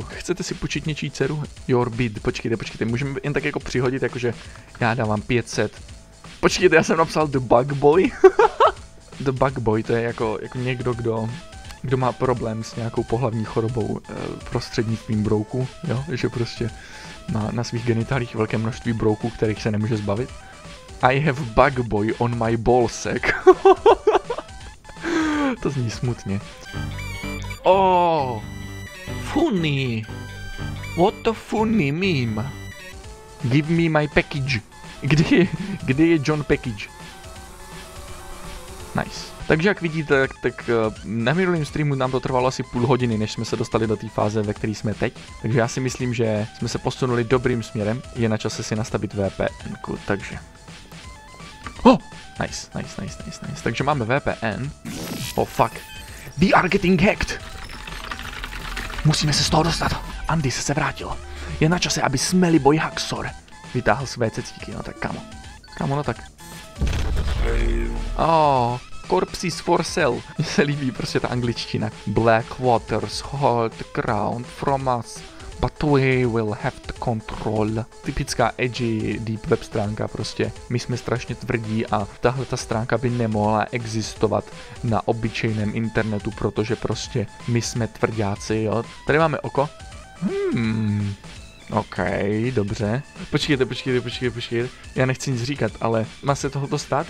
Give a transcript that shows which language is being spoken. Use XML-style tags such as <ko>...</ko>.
<cs>Chcete si půjčit něčí dceru?</cs> <en>Your bid.</en> <cs>Počkejte, počkejte, můžeme jen tak jako přihodit, jakože já dávám 500. Počkejte, já jsem napsal The Bug Boy. The Bug Boy, to je jako někdo, kdo má problém s nějakou pohlavní chorobou prostřednictvím brouku, jo? Že prostě má na svých genitálích velké množství brouků, kterých se nemůže zbavit.</cs> <en>I have bug boy on my ballsack.</en> <cs>To zní smutně.</cs> <en>Oh, funny. What the funny meme? Give me my package.</en> <cs>Kde je John package?</cs> <en>Nice.</en> <cs>Takže jak vidíte, tak na minulém streamu nám to trvalo asi půl hodiny, než jsme se dostali do té fáze, ve které jsme teď. Takže já si myslím, že jsme se posunuli dobrým směrem. Je na čase si nastavit VPNku, takže...</cs> <en>Oh, nice.</en> <cs>Takže máme VPN.</cs> <en>Oh fuck. We are getting hacked.</en> <cs>Musíme se z toho dostat. Andy se vrátil. Je na čase, aby smeli boj Haxor. Vytáhl své cecíky, no tak kamo. Kamo, no tak.</cs> <en>Oh, corpses for sale.</en> <cs>Mně se líbí prostě ta angličtina.</cs> <en>Black waters hold the ground from us. But we will have the control.</en> <cs>Typická edgy deep web stránka prostě. My jsme strašně tvrdí a tahle ta stránka by nemohla existovat na obyčejném internetu, protože prostě my jsme tvrdáci, jo. Tady máme oko. OK, dobře. Počkejte. Já nechci nic říkat, ale má se tohoto stát?</cs>